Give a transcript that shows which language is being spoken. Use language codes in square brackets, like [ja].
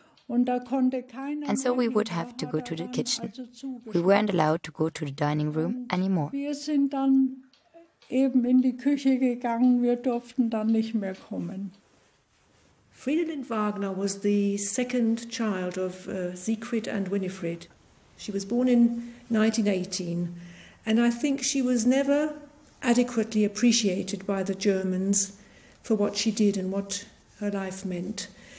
[en] And so we would have to go to the kitchen. We weren't allowed to go to the dining room anymore. [de] Wir sind dann eben in die Küche gegangen. Wir durften dann nicht mehr kommen. [en] Fridolin Wagner was the second child of Siegfried and Winifred. She was born in 1918, and I think she was never adequately appreciated by the Germans for what she did and what her life meant.